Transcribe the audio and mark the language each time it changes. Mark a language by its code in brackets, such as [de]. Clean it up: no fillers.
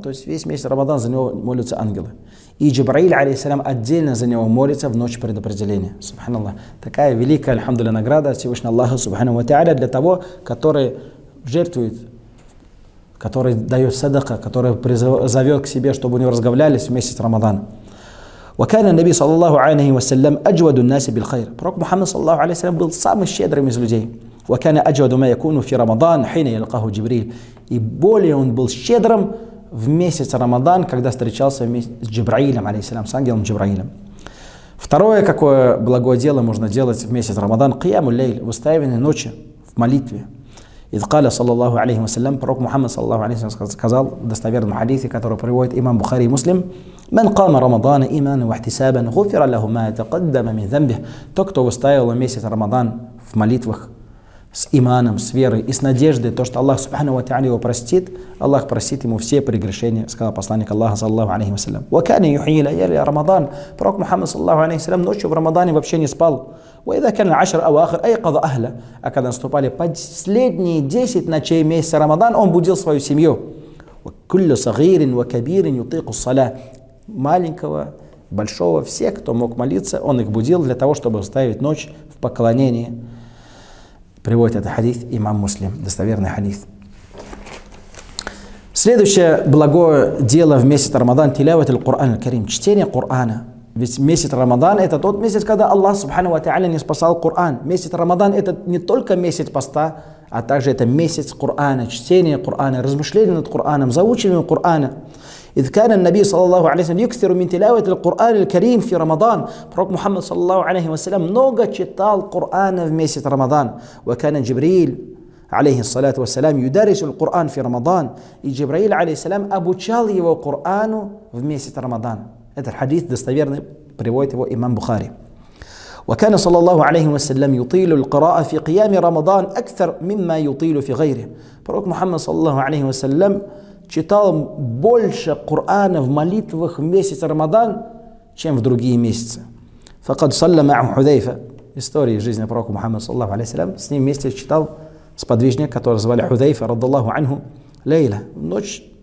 [ru] То есть весь месяц Рамадан за него молятся ангелы. И Джибраиль, алейхиссалям, отдельно за него молится в ночь предопределения. Субханаллах. Такая великая, альхамдулилля, награда от Всевышнего Аллаха, субхану ва тааля, для того, который жертвует, который дает садака, который зовет к себе, чтобы у него разговлялись в месяц Рамадан. [ar] وكان النبي صلى الله عليه وسلم أجود الناس بالخير. [ru] Пророк Мухаммад саллаллаху алейхи ва саллям был самым щедрым из людей. [ar] وكان أجود ما يكون في رمضان حين يلقاه جبريل. [ru] И более он был щедрым в месяц Рамадан, когда встречался с Джибраилем алейхиссалям, с ангелом Джибраилем. Второе, какое благое дело можно делать в месяц Рамадан, [ar] قيامُ الليل, [ru] выстаивание ночи в молитве. [ar] إذ قال صلى الله عليه وسلم, [ru] пророк Мухаммад саллаллаху алейхи ва саллям сказал в достоверном хадисе, который приводит имам Бухари и Муслим, [ar] من قام رمضان إيمانا واحتسابا غفر له ما تقدم من ذنبه. [ru] Тот, кто выстоял месяц Рамадан в молитвах с иманом, с верой и с надеждой, то, что Аллах Субхана ва Тааля его простит, Аллах простит ему все прегрешения, сказал посланник Аллаха саллаллаху алейхи ва саллям. [ar] وكان يحيي ليالي رمضان. [ru] Пророк Мухаммад саллаллаху алейхи ва саллям ночью в Рамадане вообще не спал. [ar] وإذا كان العشر أواخر أيقظ أهله. [ru] А когда наступали последние 10 ночей месяца Рамадан, он будил свою семью. [ar] وكل صغير وكبير يطيق الصلاة. [ru] Маленького, большого, все, кто мог молиться, он их будил для того, чтобы оставить ночь в поклонении. Приводит этот хадис имам Муслим, достоверный хадис. Следующее благое дело в месяц Рамадан – тилават аль-Куран аль-Карим, чтение Корана. Ведь месяц Рамадан – это тот месяц, когда Аллах Субхана ва Тааля не спасал Коран. Месяц Рамадан – это не только месяц поста, а также это месяц Корана, чтение Корана, размышление над Кораном, заучивание Корана. [ar] إذ كان النبي صلى الله عليه وسلم يكثر من تلاوة القرآن الكريم في رمضان. [ru] Пророк Мухаммад [ar] صلى الله عليه وسلم [ru] много читал Корана в месяц Рамадан. [ar] وكان جبريل عليه الصلاة والسلام يدرس القرآن في رمضان. [ru] И Джибраил алейхиссалям обучал его Корану в месяц Рамадан. Этот хадис достоверный, приводит его имам Бухари. [ar] وكان صلى الله عليه وسلم يطيل القراءة في قيام رمضان أكثر مما يطيل في غيره. [ru] Пророк Мухаммад саллаллаху алейхи ва саллям читал больше Корана в молитвах в месяц Рамадан, чем в другие месяцы. [ar] فقد صلى مع حذيفة. [ru] История жизни пророка Мухаммада саллаллаху алейхи ва саллям, с ним вместе читал сподвижник, которого звали Худайфа радиллаху анху, лейла, в ночь.